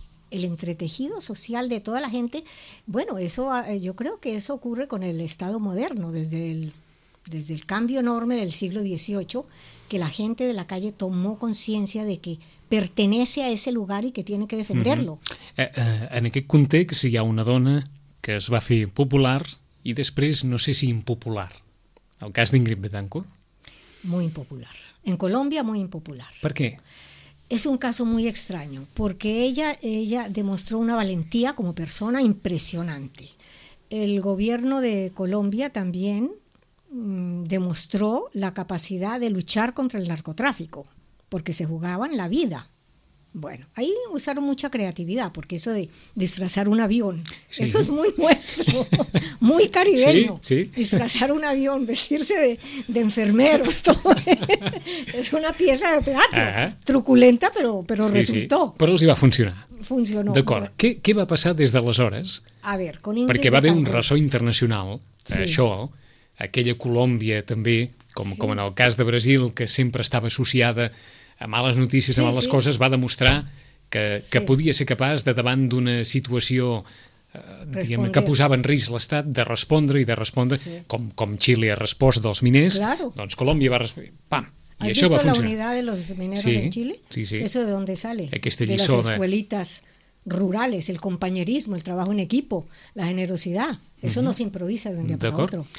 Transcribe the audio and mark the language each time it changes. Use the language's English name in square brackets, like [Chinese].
[Spanish] El entretejido social de toda la gente, bueno, eso yo creo que eso ocurre con el Estado moderno, desde el cambio enorme del siglo XVIII, que la gente de la calle tomó conciencia de que pertenece a ese lugar y que tiene que defenderlo. [Catalan] En aquest context hi ha una dona que es va fer popular i després no sé si impopular. El cas d'Ingrid Betancourt. [Spanish] Muy impopular. En Colombia, muy impopular. ¿Por qué? Es un caso muy extraño, porque ella demostró una valentía como persona impresionante. El gobierno de Colombia también demostró la capacidad de luchar contra el narcotráfico, porque se jugaban la vida Bueno, ahí usaron mucha creatividad, porque eso de disfrazar un avión, sí, eso es muy nuestro, muy caribeño. Sí, sí. Disfrazar un avión, vestirse de enfermeros, todo, es una pieza de teatro, truculenta, pero sí, resultó. Sí. [Catalan] Però els hi va funcionar. [Spanish] Funcionó. [Catalan] D'acord. Què va passar des d'aleshores? [Spanish] A ver, con Ingrid, [Catalan] perquè va haver un ressò internacional, sí, això, aquella Colòmbia també, com, sí, com en el cas de Brasil, que sempre estava associada a males notícies, sí, a males, sí, coses, va demostrar que sí, podia ser capaç de, davant d'una situació diguem, que posava en risc l'Estat, de respondre i de respondre, sí, com Xile ha respost dels miners, [Spanish] claro, [Catalan] doncs Colòmbia va respondre, pam, i això va funcionar. [Spanish] ¿Has visto la unidad de los mineros, sí, en Chile? Sí, sí. ¿Eso de dónde sale? [Catalan] Aquesta [Spanish] de las escuelitas rurales, el compañerismo, el trabajo en equipo, la generosidad. Eso, uh-huh, no se improvisa de un día para otro.